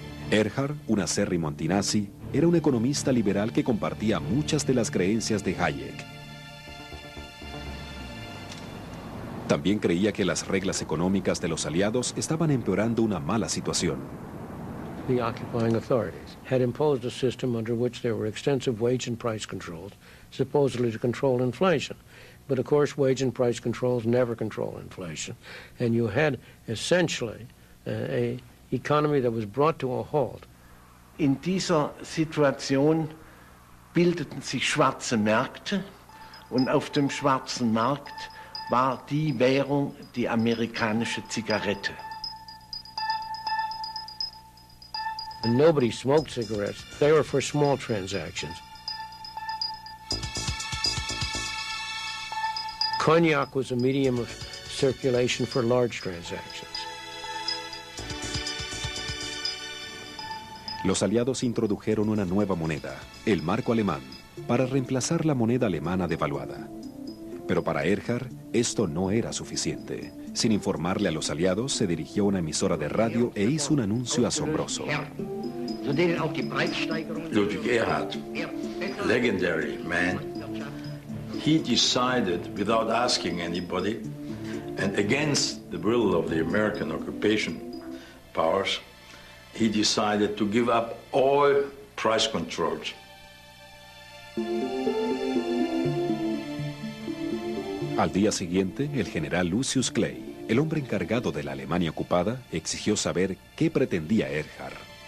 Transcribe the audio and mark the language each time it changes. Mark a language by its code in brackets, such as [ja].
[es] Erhard, un acérrimo antinazi, era un economista liberal que compartía muchas de las creencias de Hayek. También creía que las reglas económicas de los aliados estaban empeorando una mala situación. [en] The occupying authorities had imposed a system under which there were extensive wage and price controls, supposedly to control inflation. But of course, wage and price controls never control inflation. And you had essentially a economy that was brought to a halt. [de] In dieser Situation bildeten sich schwarze Märkte, und auf dem schwarzen Markt war die Währung die amerikanische Zigarette. [en] And nobody smoked cigarettes. They were for small transactions. Cognac was a medium of circulation for large transactions. [es] Los aliados introdujeron una nueva moneda, el marco alemán, para reemplazar la moneda alemana devaluada. Pero para Erhard, esto no era suficiente. Sin informarle a los aliados, se dirigió a una emisora de radio e hizo un anuncio asombroso. [en] Ludwig Erhard, legendary man, he decided without asking anybody and against the will of the American occupation powers, he decided to give up all price controls. [es] Al día siguiente, el general Lucius Clay, el hombre encargado de la Alemania ocupada, exigió saber qué pretendía Erhard.